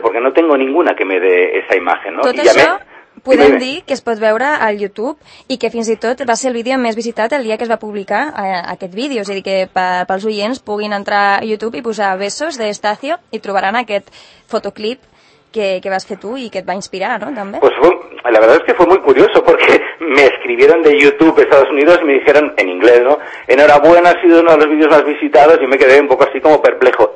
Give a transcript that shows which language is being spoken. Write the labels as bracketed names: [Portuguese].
[Spanish] Porque no tengo ninguna que me dé esa imagen, ¿no? [Catalan] Tot i això, podem dir que es pot veure al YouTube i que fins i tot va ser el vídeo més visitat el dia que es va publicar aquest vídeo. És a dir, que pels oients puguin entrar a YouTube i posar besos de Estacio i trobaran aquest fotoclip que vas fer tu i que et va inspirar, no? També. [Spanish] Pues la verdad es que fue muy curioso porque me escribieron de YouTube Estados Unidos y me dijeron en inglés, ¿no? Enhorabuena, ha sido uno de los vídeos más visitados y me quedé un poco así como perplejo.